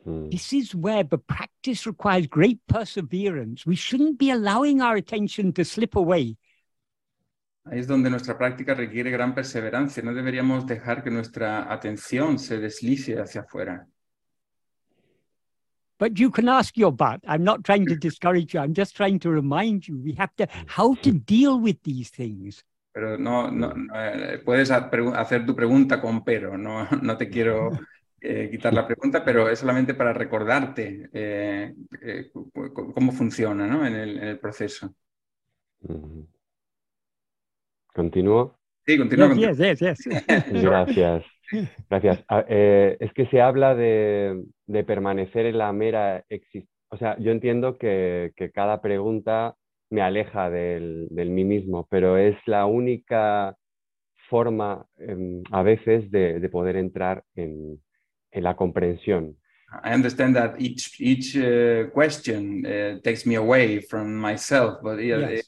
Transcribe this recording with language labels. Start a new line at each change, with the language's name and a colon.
English: This is where the practice requires great perseverance. We shouldn't be allowing our attention to slip away.
Spanish: Ahí es donde nuestra práctica requiere gran perseverancia. No deberíamos dejar que nuestra atención se deslice hacia afuera.
English: But you can ask your but. I'm not trying to discourage you. I'm just trying to remind you. We have to, how to deal with these things.
Spanish: Pero no puedes hacer tu pregunta con pero. No te quiero quitar la pregunta, pero es solamente para recordarte cómo funciona, ¿no? en el proceso. ¿Continúo? Sí, continúo.
English: Yes.
Spanish: Gracias. Gracias. Es que se habla de permanecer en la mera existencia. O sea, yo entiendo que cada pregunta me aleja del mí mismo, pero es la única forma a veces de poder entrar en la comprensión.
English: I understand that each question takes me away from myself, but yes.